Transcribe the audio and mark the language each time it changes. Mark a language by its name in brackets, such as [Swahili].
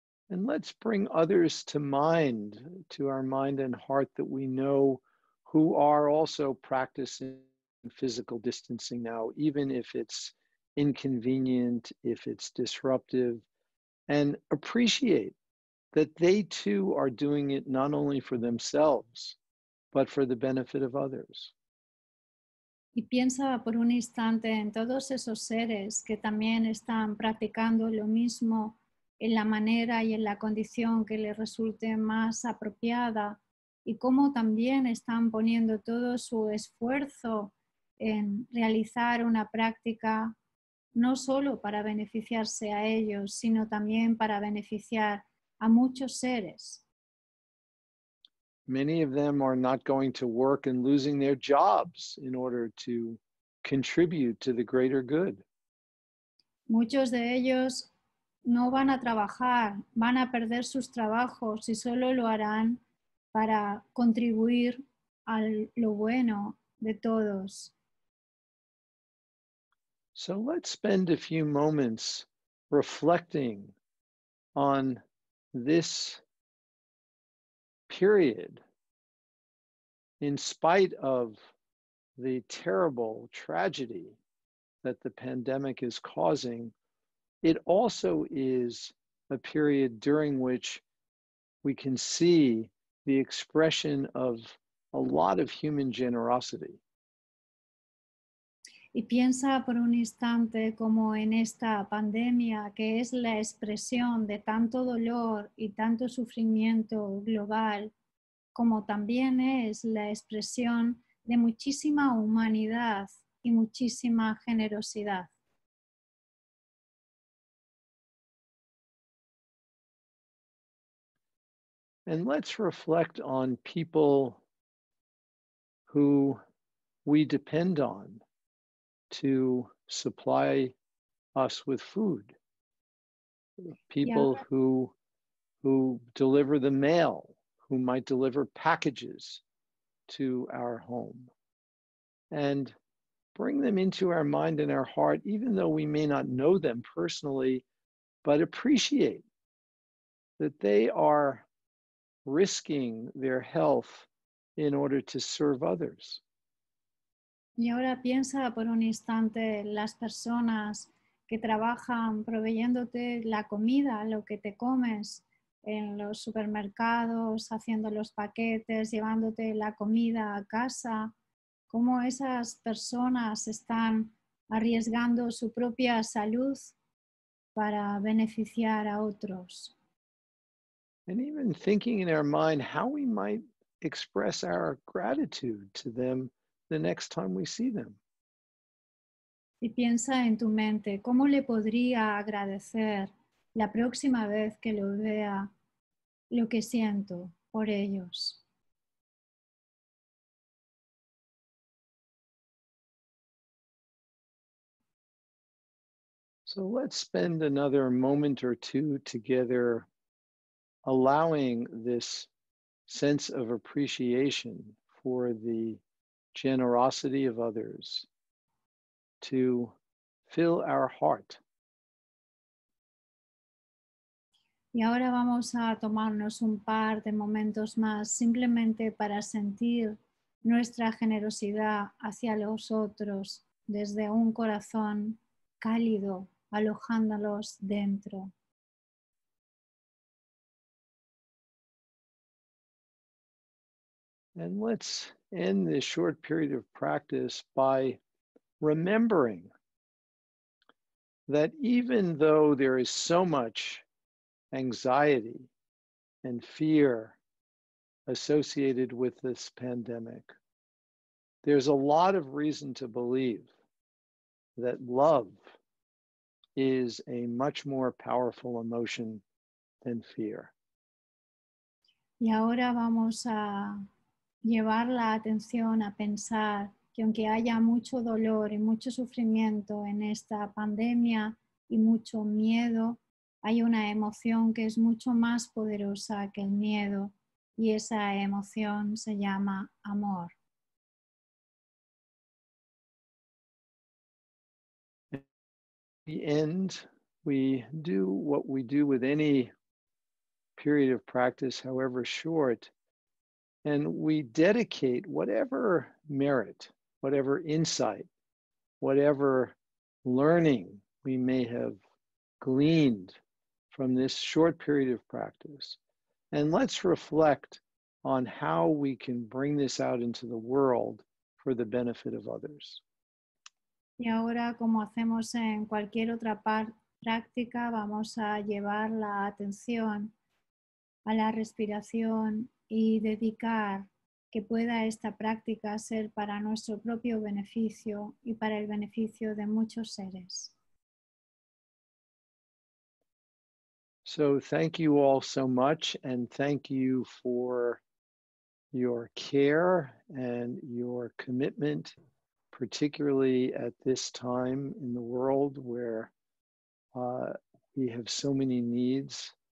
[English] And let's bring others to mind, to our mind and heart that we know who are also practicing physical distancing now, even if it's inconvenient, if it's disruptive, and appreciate that they too are doing it not only for themselves, but for the benefit of others. [Spanish] Y piensa por un instante en todos esos seres que también están practicando lo mismo en la manera y en la condición que les resulte más apropiada, y cómo también están poniendo todo su esfuerzo en realizar una práctica no solo para beneficiarse a ellos, sino también para beneficiar a muchos seres. [English] Many of them are not going to work and losing their jobs in order to contribute to the greater good. [Spanish] Muchos de ellos no van a trabajar, van a perder sus trabajos y solo lo harán para contribuir a lo bueno de todos. [English] So let's spend a few moments reflecting on this period, in spite of the terrible tragedy that the pandemic is causing. It also is a period during which we can see the expression of a lot of human generosity. [Spanish] Y piensa por un instante como en esta pandemia, que es la expresión de tanto dolor y tanto sufrimiento global, como también es la expresión de muchísima humanidad y muchísima generosidad. [English] And let's reflect on people who we depend on to supply us with food. People who deliver the mail, who might deliver packages to our home. And bring them into our mind and our heart, even though we may not know them personally, but appreciate that they are risking their health in order to serve others. [Spanish] Y ahora piensa por un instante las personas que trabajan proveyéndote la comida, lo que te comes en los supermercados, haciendo los paquetes, llevándote la comida a casa, cómo esas personas están arriesgando su propia salud para beneficiar a otros. [English] And even thinking in our mind how we might express our gratitude to them the next time we see them. [Spanish] Y piensa en tu mente, ¿cómo le podría agradecer la próxima vez que lo vea lo que siento por ellos? [English] So let's spend another moment or two together, allowing this sense of appreciation for the generosity of others to fill our heart. [Spanish] Y ahora vamos a tomarnos un par de momentos más simplemente para sentir nuestra generosidad hacia los otros desde un corazón cálido, alojándolos dentro. [English] And let's end this short period of practice by remembering that even though there is so much anxiety and fear associated with this pandemic, there's a lot of reason to believe that love is a much more powerful emotion than fear. [Spanish] Y ahora vamos a llevar la atención a pensar que aunque haya mucho dolor y mucho sufrimiento en esta pandemia y mucho miedo, hay una emoción que es mucho más poderosa que el miedo y esa emoción se llama amor. [English] At the end, we do what we do with any period of practice, however short, and we dedicate whatever merit, whatever insight, whatever learning we may have gleaned from this short period of practice. And let's reflect on how we can bring this out into the world for the benefit of others. [Spanish] Y ahora, como hacemos en cualquier otra práctica, vamos a llevar la atención a la respiración y dedicar que pueda esta práctica ser para nuestro propio beneficio y para el beneficio de muchos seres. [English] So, thank you all so much, and thank you for your care and your commitment, particularly at this time in the world where we have so many needs.